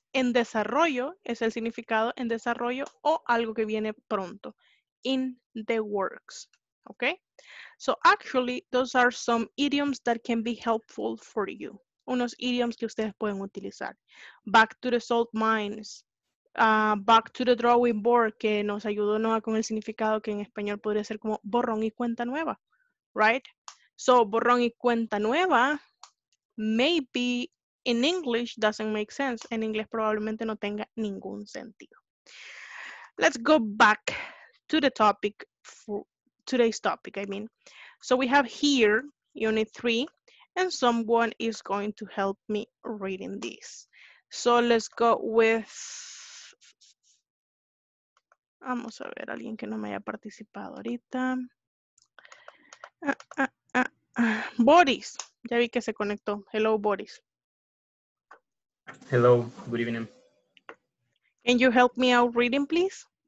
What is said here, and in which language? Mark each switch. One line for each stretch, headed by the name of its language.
Spanish: En desarrollo es el significado, en desarrollo o algo que viene pronto.
English: In the works, okay? So actually, those are some idioms that can be helpful for you.
Spanish: Unos idioms que ustedes pueden utilizar.
English: Back to the salt mines. Back to the drawing board,
Spanish: que nos ayudó Noah con el significado que en español podría ser como borrón y cuenta nueva, right?
English: So,
Spanish: borrón y cuenta nueva,
English: maybe in English doesn't make sense.
Spanish: En inglés probablemente no tenga ningún sentido.
English: Let's go back to the topic, for today's topic, I mean. So, we have here unit 3, and someone is going to help me reading this. So, let's go with...
Spanish: Vamos a ver, alguien que no me haya participado ahorita. Boris, ya vi que se conectó.
English: Hello, Boris. Hello, good evening. Can you help me out reading, please?